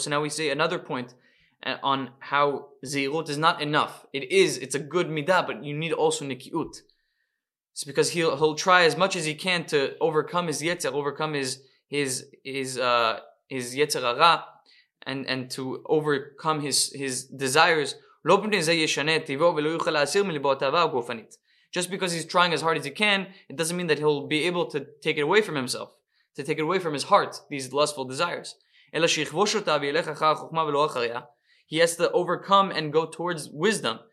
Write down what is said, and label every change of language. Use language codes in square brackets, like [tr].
[en] So now we say another point on how zirut is not enough. It is, it's a good midah, but you need also nikiut. It's because he'll try as much as he can to overcome his yetzer, overcome his his yetzer hara and to overcome his desires. [he] לא מפני זה ישנה טבעו ולא יוכל להסיר מליבו את האהבה הגופנית. [en] Just because he's trying as hard as he can, it doesn't mean that he'll be able to take it away from himself, to take it away from his heart, these lustful desires. [he] אלא שיכבוש אותה וילך אחר החוכמה ולא אחריה. [en] He has to overcome and go towards wisdom.